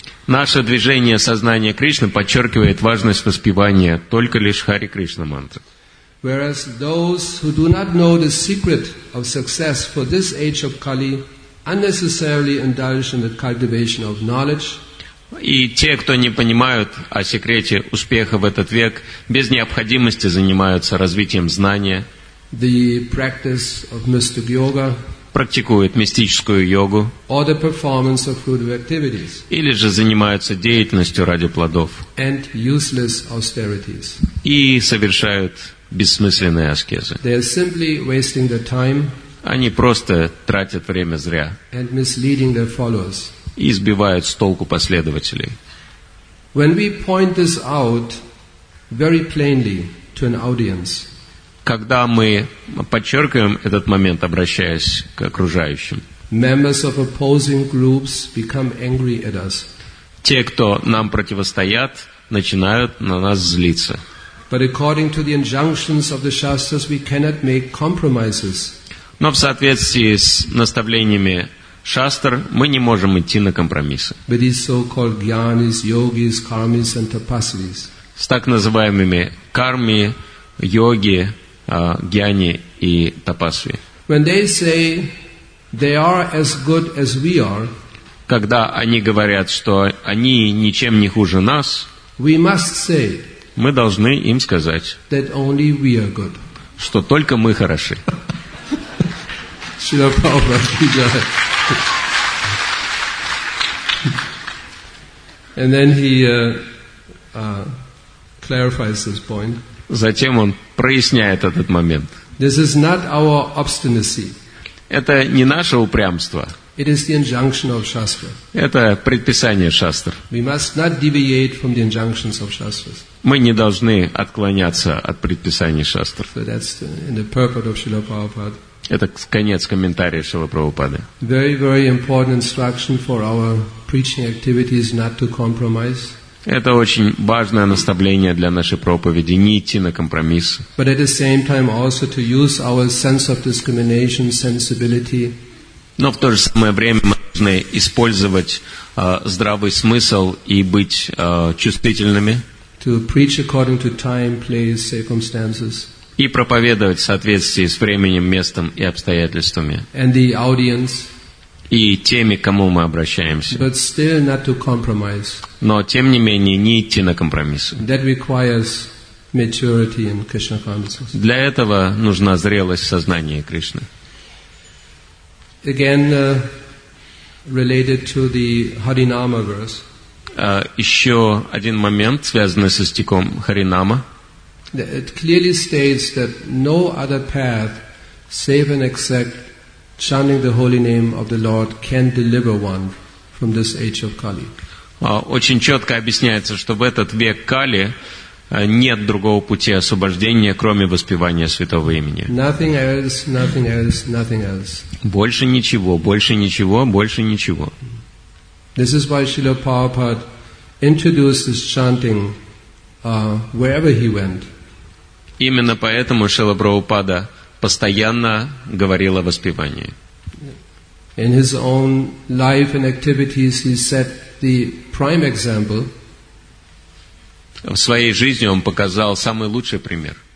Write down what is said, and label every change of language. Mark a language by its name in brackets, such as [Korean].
[Russian] Наше движение сознания Кришны подчеркивает важность воспевания только лишь Хари Кришна мантры. [English] Whereas those who do not know the secret of success for this age of Kali unnecessarily indulge in the cultivation of knowledge. [Russian] И те, кто не понимают о секрете успеха в этот век, без необходимости занимаются развитием знания. [English] The practice of mystic yoga. [Russian] Практикуют мистическую йогу. [English] Or the performance of fruitive activities. [Russian] Или же занимаются деятельностью ради плодов. [English] And useless austerities. [Russian] И совершают бессмысленные аскезы. [English] They are simply wasting their time. [Russian] Они просто тратят время зря. [English] And misleading their followers. [Russian] И сбивают с толку последователей. [English] When we point this out very plainly to an audience. [Russian] Когда мы подчеркиваем этот момент, обращаясь к окружающим. [English] Members of opposing groups become angry at us. [Russian] Те, кто нам противостоят, начинают на нас злиться. [English] But according to the injunctions of the Shastras, we cannot make compromises. [Russian] Но в соответствии с наставлениями Шастр, мы не можем идти на компромиссы. [English] With these so-called gyanis, yogis, karmis and tapasvis. [Russian] С так называемыми карми, йоги, гьяни и тапасви. [English] When they say they are as good as we are, [Russian] когда они говорят, что они ничем не хуже нас, [English] we must say, [Russian] мы должны им сказать, [English] that only we are good. [Russian] Что только мы хороши. Шрила Прабхупада. [English] And then he clarifies this point. [Russian] Затем он проясняет этот момент. [English] This is not our obstinacy. [Russian] Это не наше упрямство. [English] It is the injunction of Shastra. [Russian] Это предписание Шастр. [English] We must not deviate from the injunctions of Shastras. [Russian] Мы не должны отклоняться от предписаний Шастр. [English] So that's in the purport of Srila Prabhupada. [Russian] Это конец комментария Шрилы Прабхупады. [English] Very, very important instruction for our preaching activities not to compromise. [Russian] Это очень важное наставление для нашей проповеди, не идти на компромиссы. [English] But at the same time also to use our sense of discrimination, sensibility. [Russian] Но в то же самое время мы должны использовать здравый смысл и быть чувствительными. [English] To preach according to time, place, circumstances. [Russian] и проповедовать в соответствии с временем, местом и обстоятельствами. [English] And the audience. [Russian] И теми, к кому мы обращаемся. [English] But still not to compromise. [Russian] Но, тем не менее, не идти на компромиссы. [English] That requires maturity in Krishna consciousness. [Russian] Для этого нужна зрелость в сознании Кришны. [English] Again, related to the Harinama verse. [Russian] Еще один момент, связанный со стихом Харинама. [English] It clearly states that no other path, save and except chanting the holy name of the Lord, can deliver one from this age of Kali. [Russian] Очень четко объясняется, что в этот век Кали нет другого пути освобождения, кроме воспевания святого имени. [English] Nothing else, nothing else, nothing else. [Russian] Больше ничего, больше ничего, больше ничего. [English] This is why Srila Prabhupada introduced this chanting wherever he went. [Russian] Именно поэтому Шрила Прабхупада постоянно говорил о воспевании. [English] In his own life and activities, he set the prime example. [Russian] В своей жизни он показал самый лучший пример.